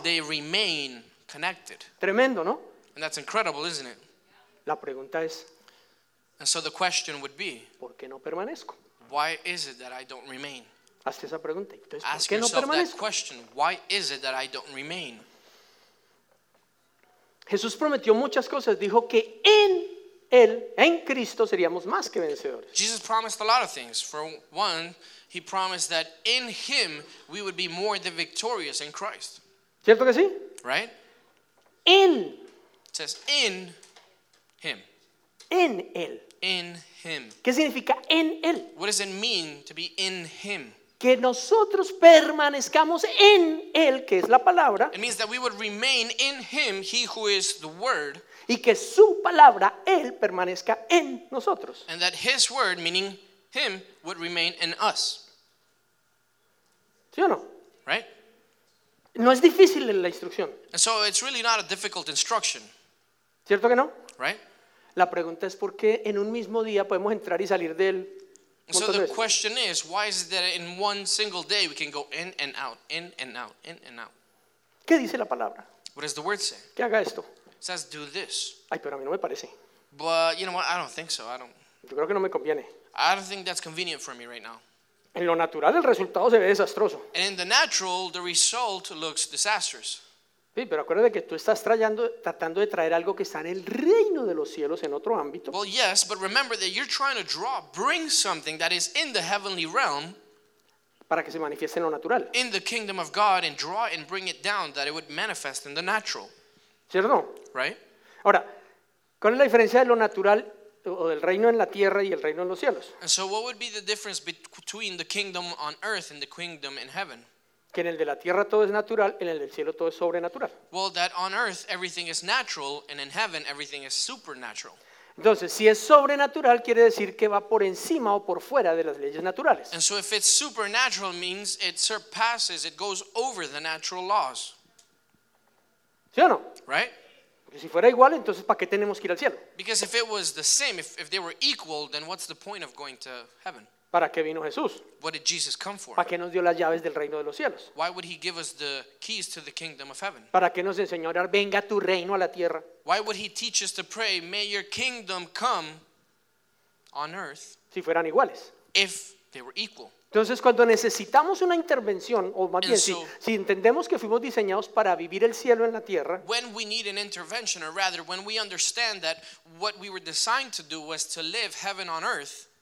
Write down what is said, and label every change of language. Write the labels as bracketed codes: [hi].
[en] Because they remain connected. [es] Tremendo, ¿no? [en] And that's incredible, isn't it? [es] La pregunta es, [en] and so the question would be, [es] ¿por qué no permanezco? [en] Why is it that I don't remain? [es] Hazte esa pregunta. Entonces, [en] ask [es] ¿por qué [en] yourself [es] no permanezco? [en] That question. Why is it that I don't remain? [es] Jesús prometió muchas cosas. Dijo que en Él, en Cristo, seríamos más que vencedores. [en] Jesus promised a lot of things. For one, he promised that in him we would be more than victorious in Christ. [es] ¿Cierto que sí? [en] Right? In. It says in him. [es] En él. [en] In him. [es] ¿Qué significa en él? [en] What does it mean to be in him? [es] Que nosotros permanezcamos en él, que es la palabra. [en] It means that we would remain in him, he who is the word. [es] Y que su palabra, él, permanezca en nosotros. [en] And that his word, meaning him, would remain in us. [es] ¿Sí o no? [en] Right? [es] No es difícil la instrucción. [en] And so it's really not a difficult instruction. [es] ¿Cierto que no? [en] Right? [es] La pregunta es por qué en un mismo día podemos entrar y salir de él. [en] And so the question is, why is it that in one single day we can go in and out, in and out, in and out? [es] ¿Qué dice la palabra? [en] What does the word say? [es] Que haga esto. [en] It says do this. [es] Ay, pero a mí no me parece. [en] But you know what? I don't think so. I don't. [es] Yo creo que no me conviene. [en] I don't think that's convenient for me right now. [es] En lo natural, el resultado se ve desastroso. [en] And in the natural, the result looks disastrous. [es] Sí, pero acuérdate que tú estás tratando de traer algo que está en el reino de los cielos en otro ámbito. [en] Well, yes, but remember that you're trying to bring something that is in the heavenly realm. [es] Para que se manifieste en lo natural. [en] In the kingdom of God and draw and bring it down that it would manifest in the natural. [es] ¿Cierto? [en] Right. [es] Ahora, ¿cuál es la diferencia de lo natural o del reino en la tierra y el reino en los cielos? [en] And so what would be the difference between the kingdom on earth and the kingdom in heaven? [es] Que en el de la tierra todo es natural, en el del cielo todo es sobrenatural. [en] Well, that on earth everything is natural, and in heaven everything is supernatural. [es] Entonces, si es sobrenatural, quiere decir que va por encima o por fuera de las leyes naturales. [en] And so if it's supernatural, means it surpasses, it goes over the natural laws. [es] ¿Sí o no? [en] Right? [es] Porque si fuera igual, entonces ¿para qué tenemos que ir al cielo? [en] Because if it was the same, if they were equal, then what's the point of going to heaven? [es] ¿Para qué vino Jesús? [en] What did Jesus come for? [es] ¿Para qué nos dio las llaves del reino de los cielos? [en] Why would he give us the keys to the kingdom of heaven? [es] ¿Para qué nos enseñó a orar, venga tu reino a la tierra? [en] Why would he teach us to pray, may your kingdom come on earth? [es] Si fueran iguales. [en] If they were equal. [es] Entonces, cuando necesitamos una intervención, o más bien, si entendemos que fuimos diseñados para vivir el cielo en la tierra, [en] when we need an intervention, or rather, when we understand that what we were designed to do was to live heaven on earth,